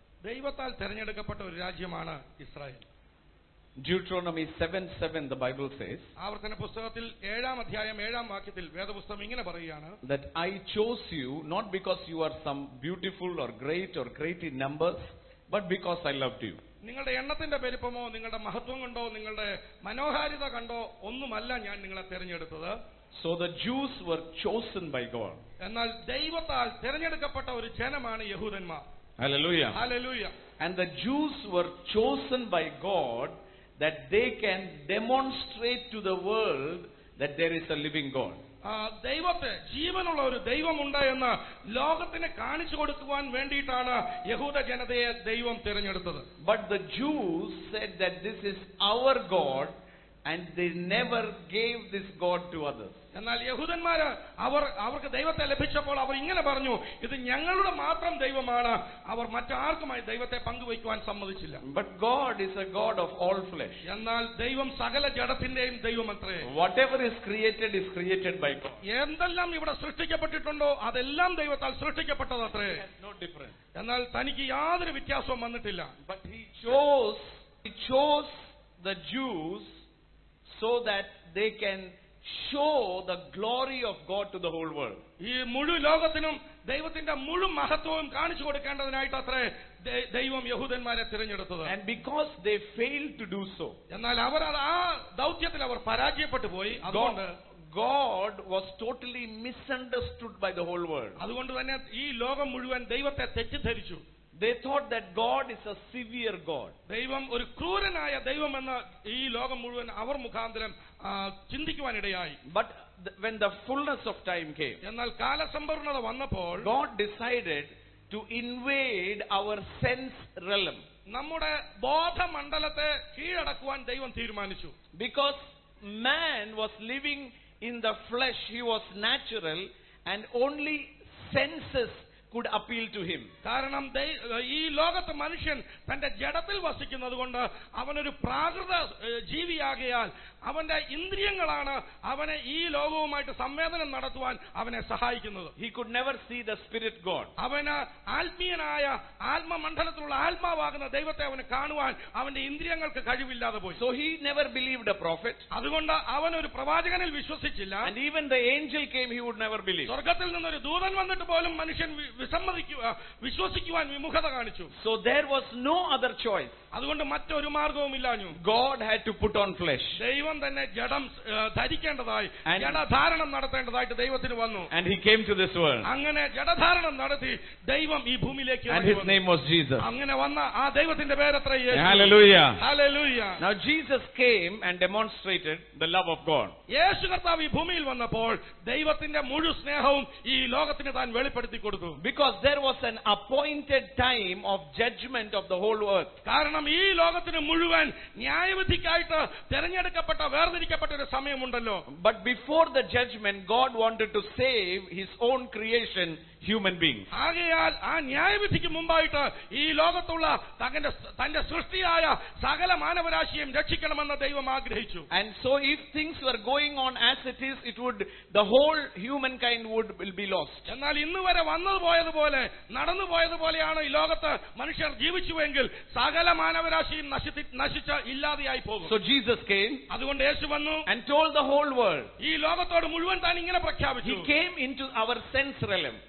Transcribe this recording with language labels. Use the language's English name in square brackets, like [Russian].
[Malayalam] ദൈവത്താൽ തിരഞ്ഞെടുക്കപ്പെട്ട ഒരു രാജ്യമാണ് Israel. [English] Deuteronomy 7:7 the Bible says, [Malayalam] ആവർത്തന പുസ്തകത്തിൽ ഏഴാം അധ്യായം ഏഴാം വാക്യത്തിൽ വേദപുസ്തകം ഇങ്ങനെ പറയുകയാണ്, [English] that I chose you not because you are some beautiful or great in numbers, but because I loved you. [Malayalam] നിങ്ങളുടെ എണ്ണത്തിന്റെ പെരുപ്പമോ നിങ്ങളുടെ മഹത്വം കണ്ടോ നിങ്ങളുടെ മനോഹാരിത കണ്ടോ ഒന്നുമല്ല ഞാൻ നിങ്ങളെ തിരഞ്ഞെടുത്തത്. [English] So the Jews were chosen by God. [Malayalam] എന്നാൽ ദൈവത്താൽ തിരഞ്ഞെടുക്കപ്പെട്ട ഒരു ജനമാണ് യഹൂദന്മാർ. [English] Hallelujah. Hallelujah. And the Jews were chosen by God that they can demonstrate to the world that there is a living God. [Malayalam] ദൈവത്തെ ജീവനുള്ള ഒരു ദൈവമുണ്ട് എന്ന് ലോകത്തിന് കാണിച്ചു കൊടുക്കുവാൻ വേണ്ടിയിട്ടാണ് യഹൂദ ജനതയെ ദൈവം തിരഞ്ഞെടുത്തത്. [English] But the Jews said that this is our God and they never gave this God to others. [Malayalam] എന്നാൽ യഹൂദന്മാർ അവർക്ക് ദൈവത്തെ ലഭിച്ചപ്പോൾ അവർ ഇങ്ങനെ പറഞ്ഞു, ഇത് ഞങ്ങളുടെ മാത്രം ദൈവമാണ്, അവർ മറ്റാർക്കുമായി ദൈവത്തെ പങ്കുവയ്ക്കുവാൻ സമ്മതിച്ചില്ല. [English] But God is a God of all flesh. [Malayalam] എന്നാൽ ദൈവം സകല ജഡത്തിന്റെയും ദൈവമത്രേ. [English] Whatever is created by God. [Malayalam] എന്തെല്ലാം ഇവിടെ സൃഷ്ടിക്കപ്പെട്ടിട്ടുണ്ടോ അതെല്ലാം ദൈവത്താൽ സൃഷ്ടിക്കപ്പെട്ടതത്രേ. [English] No different. [Malayalam] എന്നാൽ തനിക്ക് യാതൊരു വ്യത്യാസവും വന്നിട്ടില്ല. [English] But he chose the Jews so that they can show the glory of God to the whole world. [Malayalam] ഈ മുഴു ലോകത്തിനും ദൈവത്തിന്റെ മുഴു മഹത്വവും കാണിച്ചു കൊടുക്കേണ്ടതിനായിട്ട് അത്രേ ദൈവം യഹൂദന്മാരെ തിരഞ്ഞെടുത്തത്. [English] And because they failed to do so. [Malayalam] എന്നാൽ അവർ ആ ദൗത്യത്തിൽ അവർ പരാജയപ്പെട്ടു പോയി. അതുകൊണ്ട് [English] God was totally misunderstood by the whole world. [Malayalam] അതുകൊണ്ട് തന്നെ ഈ ലോകം മുഴുവൻ ദൈവത്തെ തെറ്റിദ്ധരിച്ചു. [English] They thought that God is a severe God. [Malayalam] ദൈവം ഒരു ക്രൂരനായ ദൈവമെന്ന് ഈ ലോകം മുഴുവൻ അവർ മുഖാന്തരം ചിന്തിക്കുവാൻ ഇടയായി. [English] But when the fullness of time came, [Malayalam] എന്നാൽ കാലസമ്പൂർണത വന്നപ്പോൾ, [English] God decided to invade our sense realm. [Malayalam] നമ്മുടെ ബോധമണ്ഡലത്തെ കീഴടക്കുവാൻ ദൈവം തീരുമാനിച്ചു. [English] Because man was living in the flesh, he was natural and only senses could appeal to him. [Malayalam] കാരണം ഈ ലോകത്ത് മനുഷ്യൻ തന്റെ ജഡത്തിൽ വസിക്കുന്നതുകൊണ്ട് അവനൊരു പ്രാകൃത ജീവിയാകയാൽ അവന്റെ ഇന്ദ്രിയങ്ങളാണ് അവനെ ഈ ലോകവുമായിട്ട് സംവേദനം നടത്തുവാൻ അവനെ സഹായിക്കുന്നത്. [English] He could never see the spirit God. [Malayalam] അവന് ആത്മീയനായ ആത്മമണ്ഡലത്തിലുള്ള ആത്മാവാകുന്ന ദൈവത്തെ അവന് കാണുവാൻ അവന്റെ ഇന്ദ്രിയങ്ങൾക്ക് കഴിവില്ലാതെ പോയി. [English] So he never believed a prophet. [Malayalam] അതുകൊണ്ട് അവൻ ഒരു പ്രവാചകനിൽ വിശ്വസിച്ചില്ല. [English] And even the angel came, he would never believe. [Malayalam] സ്വർഗത്തിൽ നിന്നൊരു ദൂതൻ വന്നിട്ട് പോലും മനുഷ്യൻ വിശ്വസിക്കുവാൻ വിമുഖത കാണിച്ചു. [English] So there was no other choice. [Malayalam] അതുകൊണ്ട് മറ്റൊരു മാർഗവും ഇല്ലാഞ്ഞു. [English] God had to put on flesh. [Malayalam] ദൈവം തന്നെ ജഡം ധരിക്കേണ്ടതായി ജഡധാരണം നടത്തേണ്ടതായിട്ട് ദൈവത്തിന് വന്നു. [English] And he came to this world. [Malayalam] അങ്ങനെ ജഡധാരണം നടത്തി ദൈവം ഈ ഭൂമിയിലേക്ക് വന്നു. [English] And his name was Jesus. [Malayalam] അങ്ങനെ വന്ന ആ ദൈവത്തിന്റെ പേര് അത്ര യേശു. [English] Hallelujah. Hallelujah. Now Jesus came and demonstrated the love of God. [Malayalam] യേശു കർത്താവ് ഈ ഭൂമിയിൽ വന്നപ്പോൾ ദൈവത്തിന്റെ മുഴു സ്നേഹവും ഈ ലോകത്തിന് താൻ വെളിപ്പെടുത്തി കൊടുത്തു. [English] Because there was an appointed time of judgment of the whole earth. [Malayalam] കാരണം ഈ ലോകത്തിന് മുഴുവൻ ന്യായവിധിക്കായിട്ട് തിരഞ്ഞെടുക്കപ്പെട്ട വേർതിരിക്കപ്പെട്ട ഒരു സമയമുണ്ടല്ലോ. [English] But before the judgment, God wanted to save his own creation, human beings. [Malayalam] ആകയാൽ ആ ന്യായവിധിക്ക് മുമ്പായിട്ട് ഈ ലോകത്തുള്ള തന്റെ സൃഷ്ടിയായ സകല മാനവരാശിയെയും രക്ഷിക്കണമെന്ന് ദൈവം ആഗ്രഹിച്ചു. [English] And so if things were going on as it is, the whole humankind will be lost. [Malayalam] എന്നാൽ ഇന്നുവരെ വന്നത് പോയതുപോലെ നടന്നു പോയതുപോലെയാണ് ഈ ലോകത്ത് മനുഷ്യർ ജീവിച്ചുവെങ്കിൽ സകല മാനവരാശിയും നശിച്ച ഇല്ലാതെയായി പോകും. [English] So Jesus came. [Malayalam] അതുകൊണ്ട് യേശു വന്നു. [English] And told the whole world. [Malayalam] ഈ ലോകത്തോട് മുഴുവൻ താൻ ഇങ്ങനെ പ്രഖ്യാപിച്ചു. [English] He came into our sense realm.